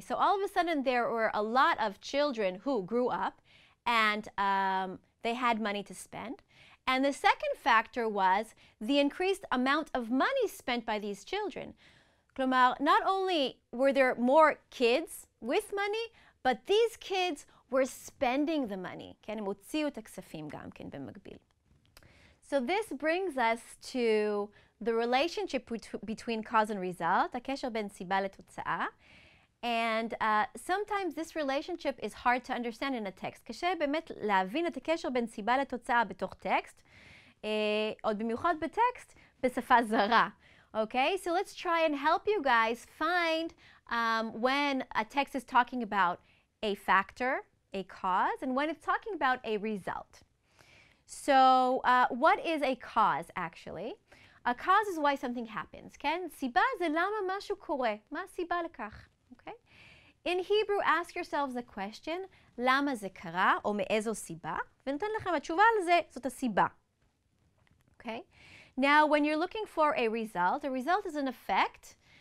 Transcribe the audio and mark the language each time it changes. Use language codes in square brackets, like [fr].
[en] So all of a sudden there were a lot of children who grew up, and they had money to spend. And the second factor was the increased amount of money spent by these children. כלומר, not only were there more kids with money, but these kids were spending the money. [he] כן, הם הוציאו את הכספים גם כן במקביל. [en] So this brings us to the relationship between cause and result, [he] הקשר בין סיבה לתוצאה. [en] And sometimes this relationship is hard to understand in a text. [he] קשה באמת להבין את הקשר בין סיבה לתוצאה בתוך טקסט, עוד במיוחד בטקסט, בשפה זרה. [en] Okay, so let's try and help you guys find when a text is talking about a factor, a cause, and when it's talking about a result. So what is a cause, actually? A cause is why something happens, כן? [he] סיבה זה למה משהו קורה. מה הסיבה לכך? Okay? [en] In Hebrew, ask yourselves the question, [he] למה זה קרה או מאיזו סיבה? ונתן לכם התשובה על זה, זאת הסיבה. [en] Okay? Now, when you're looking for a result is an effect.